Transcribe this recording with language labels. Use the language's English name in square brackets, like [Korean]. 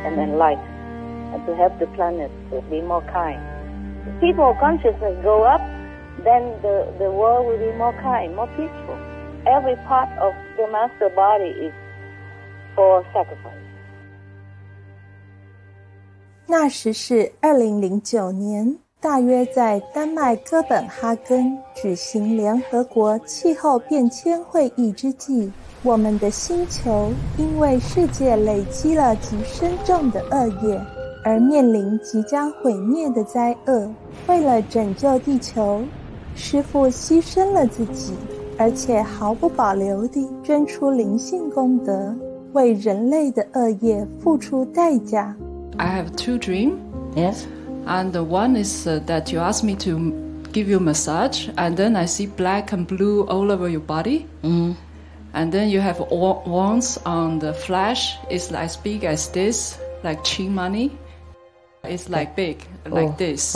[English] To help people, the souls of people to be uplifted and enlightened, and to help the planet to be more kind. People consciousness go up, then the world will be more kind, more peaceful. Every part of the master body is for sacrifice. [Chinese] 那时是2009年，大约在丹麦哥本哈根举行联合国气候变迁会议之际。我们的星球因为世界累积了极深重的恶业，而面临即将毁灭的灾厄。为了拯救地球，师父牺牲了自己，而且毫不保留地捐出灵性功德，为人类的恶业付出代价。 [English] I have two dreams. Yes. And one is that you ask me to give you a massage, and then I see black and blue all over your body. Mm-hmm. And then you have wands on the flesh. It's as big as this, like chi money. It's like big, like this.